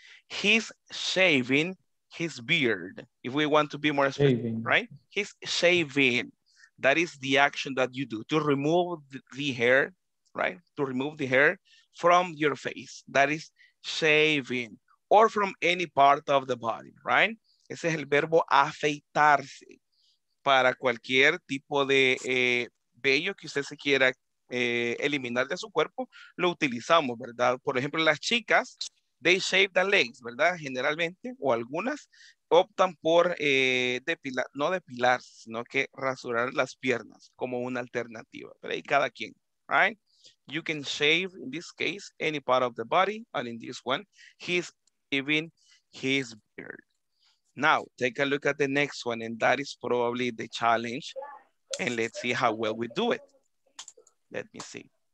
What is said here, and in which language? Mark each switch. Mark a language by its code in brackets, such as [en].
[en] He's shaving his beard. If we want to be more specific, right? He's shaving. That is the action that you do to remove the hair, right? To remove the hair from your face. That is shaving, or from any part of the body, right? [es] Ese es el verbo afeitarse. Para cualquier tipo de vello que usted se quiera eliminar de su cuerpo, lo utilizamos, ¿verdad? Por ejemplo, las chicas, [en] they shave the legs, [es] ¿verdad? Generalmente, o algunas, optan por depilar, no depilar, sino que rasurar las piernas como una alternativa. Pero ahí cada quien, [en] right? You can shave, in this case, any part of the body, and in this one, he's shaving his beard. Now, take a look at the next one, and that is probably the challenge. And let's see how well we do it. Let me see.